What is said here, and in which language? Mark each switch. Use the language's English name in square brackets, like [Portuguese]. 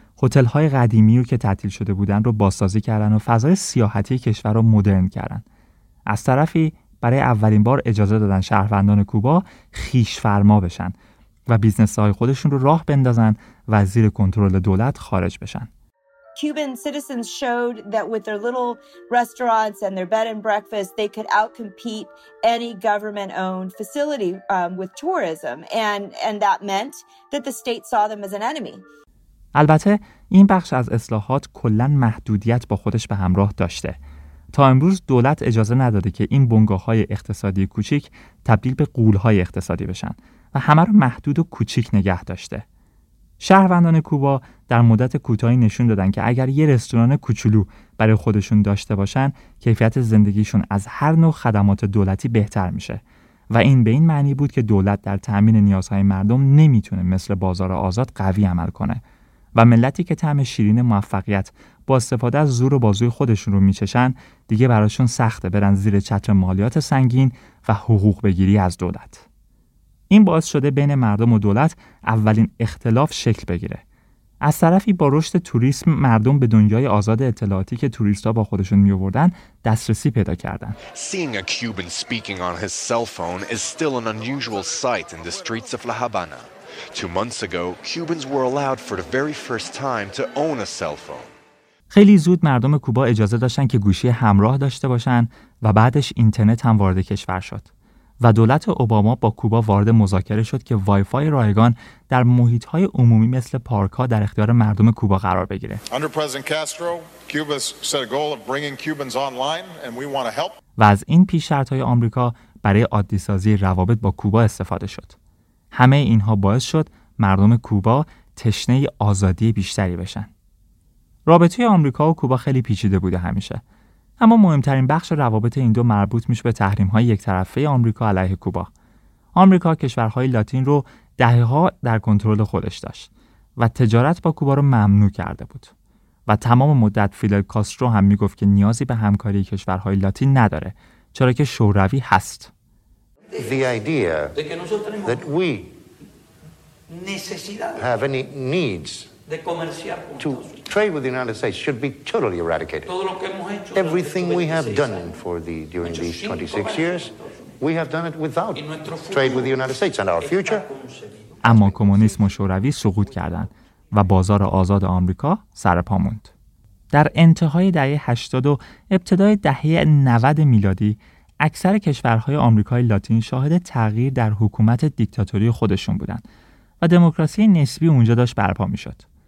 [Persian] هتل‌های قدیمی رو که تعطیل شده بودن رو بازسازی کردن و فضای سیاحتی کشور رو مدرن کردن. از طرفی برای اولین بار اجازه دادن شهروندان کوبا خیش فرما بشن و بیزنس‌های خودشون رو راه بندازن و زیر کنترل دولت خارج بشن. [English] Cuban citizens showed that with their little restaurants and their bed and breakfast, they could outcompete any government-owned facility with tourism, and that meant that the state saw them as an enemy. [Persian] البته این بخش از اصلاحات کلاً محدودیت با خودش به همراه داشته. تا امروز دولت اجازه نداده که این بنگاه‌های اقتصادی کوچک تبدیل به غول‌های اقتصادی بشن و همه رو محدود و کوچک نگه داشته. شهروندان کوبا در مدت کوتاهی نشون دادن که اگر یه رستوران کوچولو برای خودشون داشته باشن، کیفیت زندگیشون از هر نوع خدمات دولتی بهتر میشه و این به این معنی بود که دولت در تأمین نیازهای مردم نمیتونه مثل بازار آزاد قوی عمل کنه و ملتی که طعم شیرین موفقیت با استفاده از زور و بازوی خودشون رو میچشن، دیگه براشون سخته برن زیر چتر مالیات سنگین و حقوق بگیری از دولت. این باعث شده بین مردم و دولت اولین اختلاف شکل بگیره. از طرفی با رشد توریسم، مردم به دنیای آزاد اطلاعاتی که توریست‌ها با خودشون می‌آوردن دسترسی پیدا کردن. [English] Seeing a Cuban speaking on his cell phone is still an unusual sight in the streets of La Habana. 2 months ago, Cubans were allowed for the very first time to own a cell phone. [Persian] خیلی زود مردم کوبا اجازه داشتن که گوشی همراه داشته باشن و بعدش اینترنت هم وارد کشور شد و دولت اوباما با کوبا وارد مذاکره شد که وایفای رایگان در محیط‌های عمومی مثل پارک‌ها در اختیار مردم کوبا قرار بگیره. [English] Under President Castro, Cuba set a goal of bringing Cubans online and we want to help. [Persian] و از این پیش شرط‌های آمریکا برای عادی سازی روابط با کوبا استفاده شد. همه اینها باعث شد مردم کوبا تشنه آزادی بیشتری بشن. رابطه آمریکا و کوبا خیلی پیچیده بوده همیشه. اما مهمترین بخش روابط این دو مربوط میشه به تحریم‌های یک طرفه آمریکا علیه کوبا. آمریکا کشورهای لاتین رو دهه‌ها در کنترل خودش داشت و تجارت با کوبا رو ممنوع کرده بود. و تمام مدت فیدل کاسترو هم میگفت که نیازی به همکاری کشورهای لاتین نداره، چرا که شوروی هست. [English] The idea that we have any needs to trade with the United States should be totally eradicated. Everything we have done for the during these 26 years, we have done it without trade with the United States and our future. [Persian] اما کمونیسم و شوروی سقوط کردند و بازار آزاد آمریکا سرپا موند. در انتهای دهه 80 و ابتدای دهه 90 میلادی، اکثر کشورهای آمریکای لاتین شاهد تغییر در حکومت دیکتاتوری خودشون بودند و دموکراسی نسبی اونجا داشت برپا میشد.